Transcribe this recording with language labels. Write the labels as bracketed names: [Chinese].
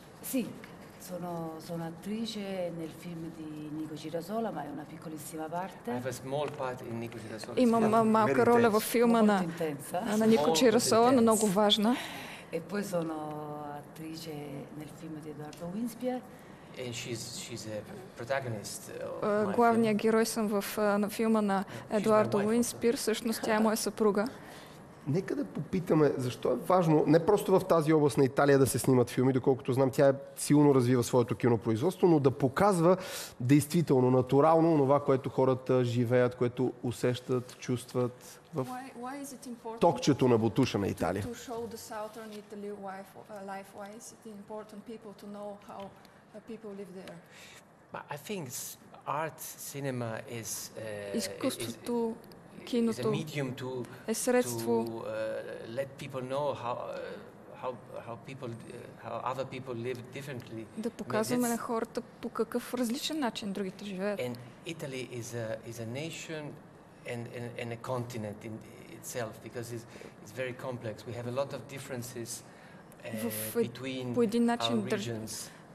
[Italian] Sì, sono attrice nel film di Nico Cirasola, ma è una piccolissima parte. [English] I have a small part in Nico Cirasola. [Bulgarian] Има малка роля в филма на Нико Чирасола, но много важна. [Italian] E poi sono attrice nel film di Edoardo Winspier. [English] And she's a protagonist of my film. [Bulgarian] Главния герой съм на филма на Едуардо Уинспир, всъщност тя е моя съпруга. Нека да попитаме, защо е важно не просто в тази област на Италия да се снимат филми, доколкото знам, тя силно развива своето кинопроизводство, но да показва действително, натурално това, което хората живеят, което усещат, чувстват в токчето на бутуша на Италия. [English] To show the southern Italy life, why is it important people to know how people live there? But I think art, cinema is [Bulgarian] изкуството, киното е средство [English] to let people know how how people how other people live differently. [Bulgarian] Да показваме на хората по какъв различен начин другите живеят. [English] And Italy is a nation and a continent in itself because it's very complex. We have a lot of differences between our regions.